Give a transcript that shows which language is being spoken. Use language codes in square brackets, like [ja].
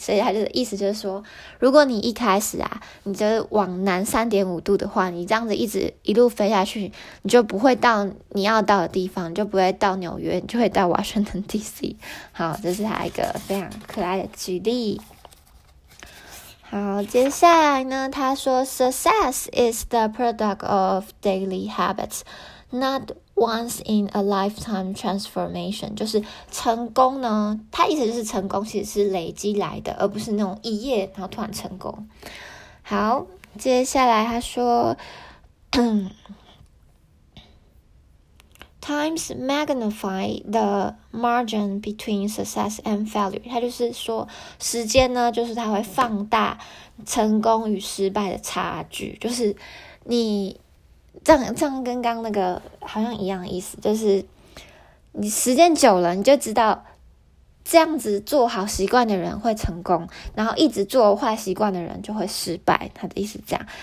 [zh] 所以它就意思就是说，如果你一开始啊你就往南 3.5 度的话，你这样子一直一路飞下去，你就不会到你要到的地方，你就不会到纽约，你就会到 Washington DC。好，这是它一个非常可爱的举例。好，接下来呢，他说 [en] Success is the product of daily habits, not once in a lifetime transformation. [zh] 就是成功呢，他意思就是成功其实是累积来的，而不是那种一夜然后突然成功。好，接下来他说 [en] Times magnify the margin between success and failure. [zh] 它就是说，时间呢，就是它会放大成功与失败的差距。就是你这样跟刚那个好像一样的意思，就是你时间久了，你就知道这样子做好习惯的人会成功，然后一直做坏习惯的人就会失败。他的意思是这样。